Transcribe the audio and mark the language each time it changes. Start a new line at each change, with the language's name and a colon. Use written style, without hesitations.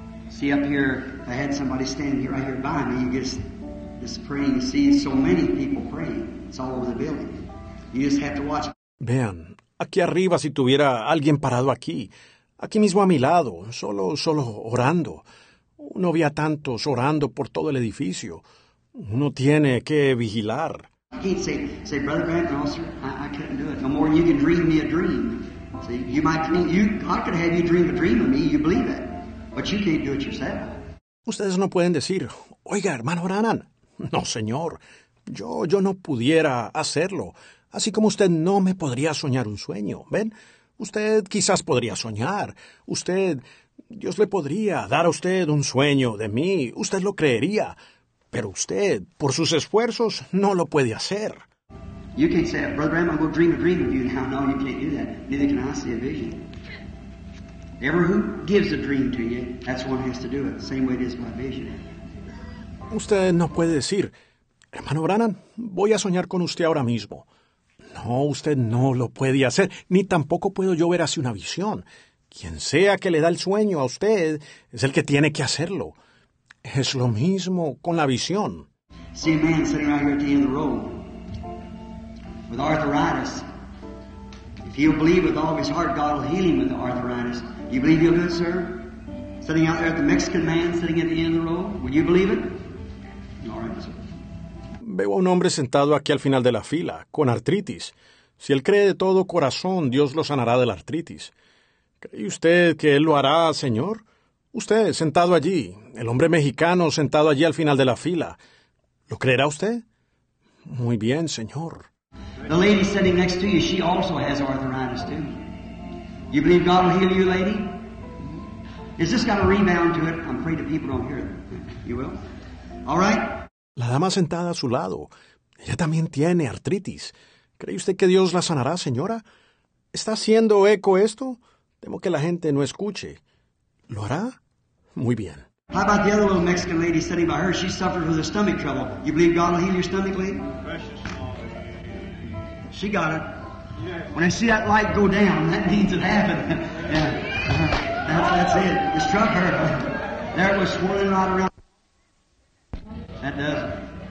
English: See up here, if I had somebody standing right here by me, just praying. You see, so many people praying. It's all over the building. You just have to watch.
Spanish: Vean, aquí arriba, si tuviera alguien parado aquí, aquí mismo a mi lado, solo orando. Uno ve a tantos orando por todo el edificio. Uno tiene que vigilar.
English: I can't say, Brother Grant, no, sir, I couldn't do it. No more than you can dream me a dream. See, you might dream, God could have you dream a dream of me, you believe it. But you can't do it yourself.
Spanish: Ustedes no pueden decir, oiga, hermano Brannan, no, señor, yo no pudiera hacerlo. Así como usted no me podría soñar un sueño, ¿ven? Usted quizás podría soñar. Usted, Dios le podría dar a usted un sueño de mí. Usted lo creería. Pero usted, por sus esfuerzos, no lo puede hacer.
English: You can't say, Brother Graham, I'm going to dream a dream of you now. No, you can't do that. Neither can I see a vision. Ever who gives a dream to you, that's one has to do it. Same way it is my vision.
Spanish: Usted no puede decir, hermano Brannan, voy a soñar con usted ahora mismo. No, usted no lo puede hacer, ni tampoco puedo yo ver así una visión. Quien sea que le da el sueño a usted es el que tiene que hacerlo. Es lo mismo con la visión.
English: See a man sitting right here at the end of the road with arthritis. If you believe with all of his heart, God will heal him with the arthritis. You believe he'll do it, sir? Sitting out there at the Mexican man sitting at the end of the road, would you believe it? All right, sir.
Spanish: Veo a un hombre sentado aquí al final de la fila, con artritis. Si él cree de todo corazón, Dios lo sanará de la artritis. ¿Cree usted que él lo hará, señor? Usted, sentado allí, el hombre mexicano sentado allí al final de la fila. ¿Lo creerá usted? Muy bien, señor.
English: The lady sitting next to you, she also has arthritis too. You believe God will heal you, lady? Is this got a rebound to it? I'm afraid the people don't hear it. You will? All right?
Spanish: La dama sentada a su lado, ella también tiene artritis. ¿Cree usted que Dios la sanará, señora? ¿Está haciendo eco esto? Temo que la gente no escuche. ¿Lo hará? Muy bien.
English: How about the other little Mexican lady sitting by her? She suffers with a stomach trouble. You believe God will heal your stomach, lady? She got it. When I see that light go down, that means it happened. Yeah. That's it. It struck her. There it was swirling right around. That does.